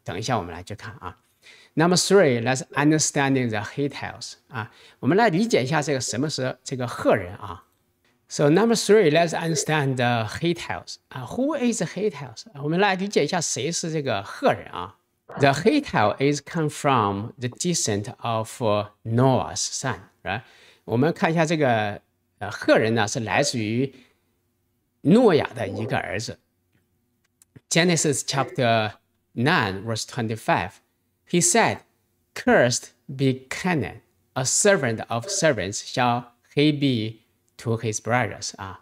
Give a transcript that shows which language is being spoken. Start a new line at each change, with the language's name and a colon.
Chinese: 等一下我们来去看啊。
English: Number three, let's understanding the Hittites
Chinese: 啊，我们来理解一下这个什么是这个赫人啊。
English: So number three, let's understand the Hittites 啊 ，Who is the Hittites？
Chinese: 我们来理解一下谁是这个赫人啊。
English: The Hittite is come from the descent of Noah's son, right?
Chinese: 我们看一下这个赫人呢是来自于诺亚的一个儿子。
English: Genesis chapter 9 verse 25, he said, "Cursed be Canaan, a servant of servants shall he be to his brothers."